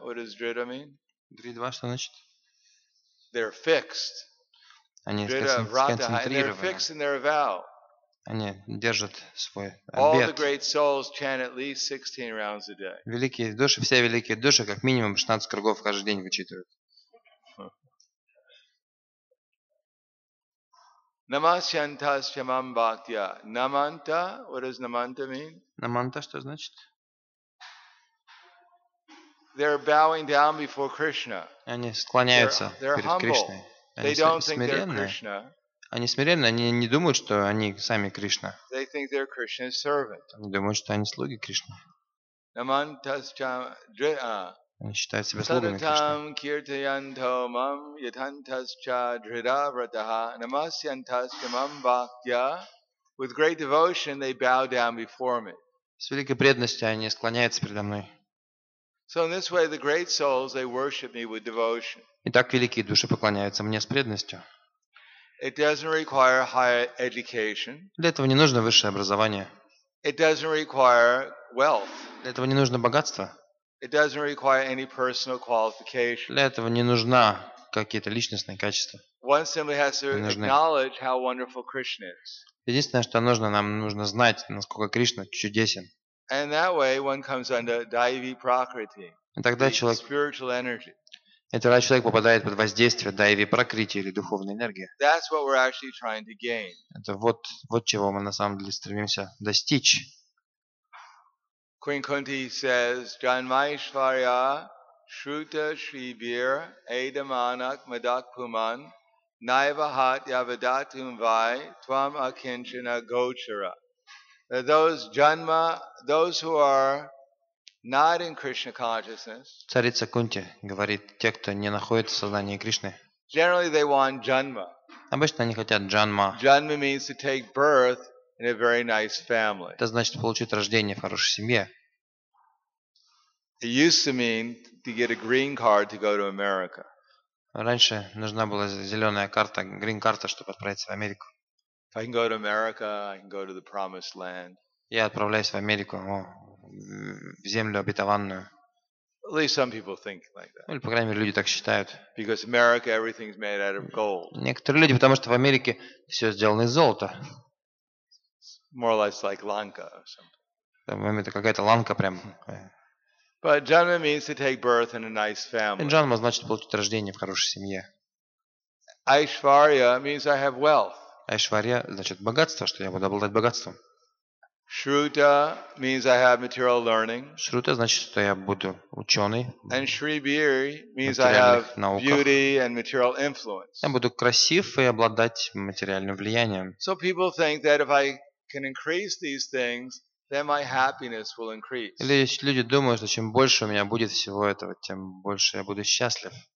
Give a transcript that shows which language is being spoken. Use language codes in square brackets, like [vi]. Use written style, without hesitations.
[en] What does дрида mean? [ru] Дридва, что значит? [en] They're fixed. [ru] Они сконцентрированы. [en] They're fixed in their vow. [ru] Они держат свой обет. [en] All the great souls chant at least 16 rounds a day. [ru] Великие души, все великие души, как минимум 16 кругов каждый день вычитывают. [sa] Намасьянтасья мам бхактья. [en] Наманта, what does наманта mean? [ru] Наманта, что значит? [en] They're bowing down before Krishna. [ru] Они склоняются перед Кришной. [en] They don't think they're Krishna. [ru] Они смиренны, они не думают, что они сами Кришна. [en] They think they're Krishna's servant. [ru] Они думают, что они слуги Кришны. [sa] Намантасчам дрида. [ru] Они считают себя слугами Кришны. [sa] Сататам киртаянтамам ятантасча дрида вратаха намасьянтасчамам бхактья. [en] With great devotion, they bow down before me. [ru] С великой преданностью они склоняются передо мной. [en] So in this way, the great souls, they worship me with devotion. [ru] Итак, великие души поклоняются мне с преданностью. [en] It doesn't require higher education. [ru] Для этого не нужно высшее образование. [en] It doesn't require wealth. [ru] Для этого не нужно богатство. [en] It doesn't require any personal qualification. [ru] Для этого не нужны какие-то личностные качества. [en] One simply has to acknowledge how wonderful Krishna is. [ru] Единственное, что нужно, нам нужно знать, насколько Кришна чудесен. [en] And that way one comes under Daivi Prakriti. [ru] И тогда человек, [en] spiritual energy. [ru] Тогда человек попадает под воздействие Daivi Prakriti или духовной энергии. [en] That's what we're actually trying to gain. [ru] Это вот, вот чего мы на самом деле стремимся достичь. [en] Queen Kunti says, [sa] Janmaishvarya Shruta Shribir Edamanak Madakpuman Naivahat Yavadatum Vai Twam Akinchana Gochara. [en] That those janma, those who are not in Krishna consciousness, [ru] царица Кунти говорит, те, кто не находится в сознании Кришны, [en] generally they want janma. [ru] Обычно они хотят janma. [en] Janma means to take birth in a very nice family. [ru] Это значит получить рождение в хорошей семье. [en] It used to mean to get a green card to go to America. [ru] Раньше нужна была зеленая карта, [en] green card, [ru] чтобы отправиться в Америку. [en] If I can go to America, I can go to the promised land. [ru] Я отправляюсь в Америку, в землю обетованную. [en] At least some people think like that. [ru] Или, по крайней мере, люди так считают. [en] Because America, everything is made out of gold. [ru] Некоторые люди, потому что в Америке все сделано из золота. [en] More or less like Lanka or something. [ru] Там, это какая-то Ланка прям. [en] But janma means to take birth in a nice family. [ru] Janma значит получить рождение в хорошей семье. [en] Aishwarya means I have wealth. [ru] Айшварья значит богатство, что я буду обладать богатством. [en] Шрута means I have material learning. [ru] Шрута значит, что я буду ученый. [en] And Шрибири means I have beauty and material influence. [ru] Я буду красив и обладать материальным влиянием. [en] So people think that if I can increase these things, then my happiness will increase. [ru] Или люди думают, что чем больше у меня будет всего этого, тем больше я буду счастлив.